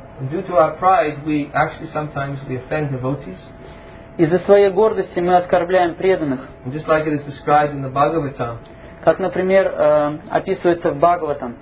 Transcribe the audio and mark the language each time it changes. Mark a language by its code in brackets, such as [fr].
[en] Due to our pride, we actually sometimes we offend devotees. [ru] Из-за своей гордости мы оскорбляем преданных. [en] Just like it is described in the Bhagavatam. [ru] Как, например, описывается в Бхагаватам.